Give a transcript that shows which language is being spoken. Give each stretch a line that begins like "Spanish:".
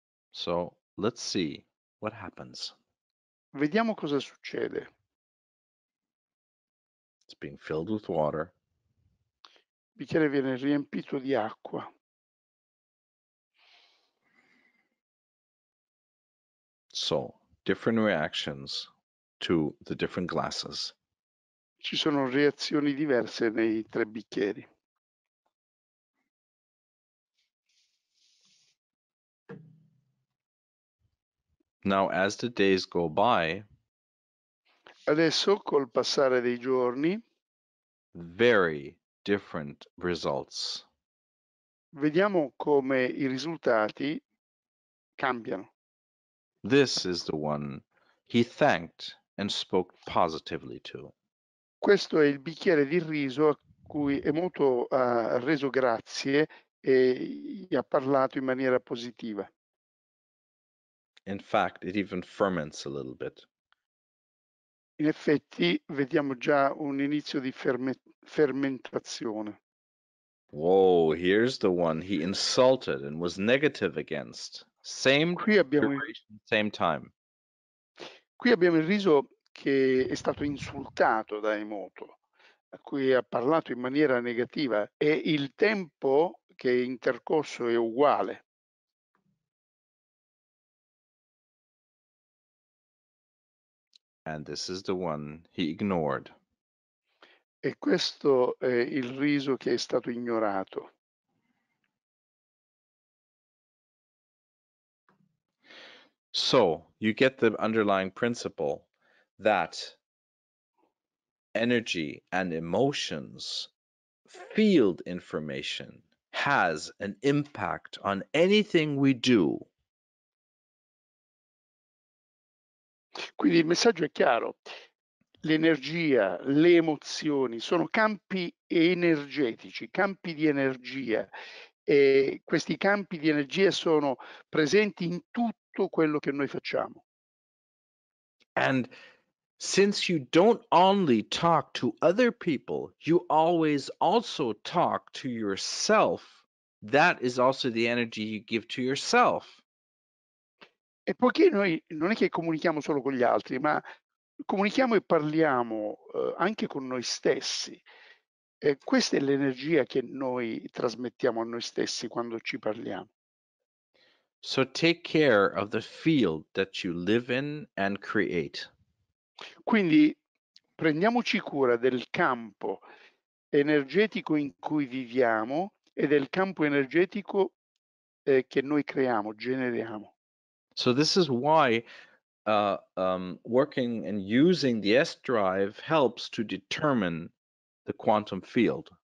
English: So, let's see what happens.
Italian: Vediamo cosa succede.
English: It's being filled with water.
Italian: Il bicchiere viene riempito di acqua.
English: So, different reactions to the different glasses.
Italian: Ci sono reazioni diverse nei tre bicchieri.
English: Now, as the days go by,
Italian: adesso col passare dei giorni,
English: very different results.
Italian: Vediamo come i risultati cambiano.
English: This is the one he thanked and spoke positively to.
Italian: Questo è il bicchiere di riso a cui Emoto ha reso grazie e gli ha parlato in maniera positiva.
English: In fact, it even ferments a little bit.
Italian: In effetti, vediamo già un inizio di fermentazione.
English: Whoa, here's the one he insulted and was negative against. Same duration, same time.
Italian: Qui abbiamo il riso che è stato insultato da Emoto, a cui ha parlato in maniera negativa, e il tempo che è intercorso è uguale.
English: And this is the one he ignored.
Italian: E questo è il riso che è stato ignorato.
English: So, you get the underlying principle that energy and emotions field information has an impact on anything we do.
Italian: Quindi il messaggio è chiaro. L'energia, le emozioni sono campi energetici, campi di energia, e questi campi di energia sono presenti in tutto quello che noi facciamo.
English: And since you don't only talk to other people, you always also talk to yourself. That is also the energy you give to yourself.
Italian: E poiché noi non è che comunichiamo solo con gli altri, ma comunichiamo e parliamo anche con noi stessi. Questa è l'energia che noi trasmettiamo a noi stessi quando ci parliamo.
English: So take care of the field that you live in and create.
Italian: Quindi prendiamoci cura del campo energetico in cui viviamo e del campo energetico che noi creiamo, generiamo.
English: So this is why working and using the S drive helps to determine the quantum field.